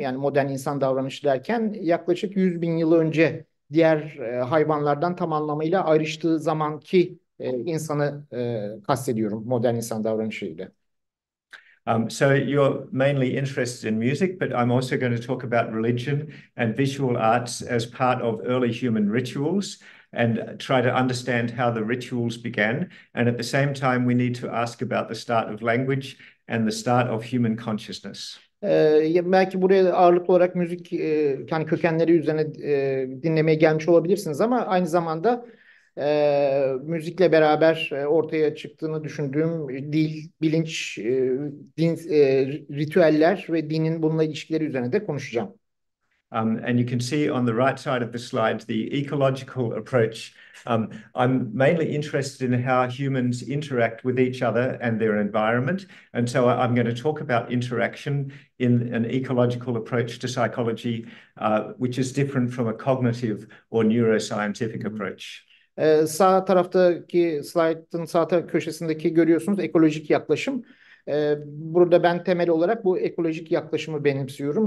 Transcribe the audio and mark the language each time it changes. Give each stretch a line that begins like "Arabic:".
Turkish: Yani modern insan davranışı derken yaklaşık 100 bin yıl önce diğer hayvanlardan tam anlamıyla ayrıştığı zamanki insanı kastediyorum modern insan davranışıyla.
English: So you're mainly interested in music, but I'm also going to talk about religion and visual arts as part of early human rituals and try to understand how the rituals began. And at the same time, we need to ask about the start of language and the start of human consciousness.
Turkish: Belki buraya ağırlıklı olarak müzik yani kökenleri üzerine dinlemeye gelmiş olabilirsiniz ama aynı zamanda müzikle beraber ortaya çıktığını düşündüğüm dil, bilinç, din, ritüeller ve dinin bununla ilişkileri üzerine de konuşacağım.
English: And you can see on the right side of the slide the ecological approach. I'm mainly interested in how humans interact with each other and their environment. And so I'm going to talk about interaction in an ecological approach to psychology, which is different from a cognitive or neuroscientific approach.
Turkish: Sağ taraftaki slide'ın sağ taraf köşesindeki görüyorsunuz ekolojik yaklaşım. Burada ben temel olarak bu ekolojik yaklaşımı benimsiyorum.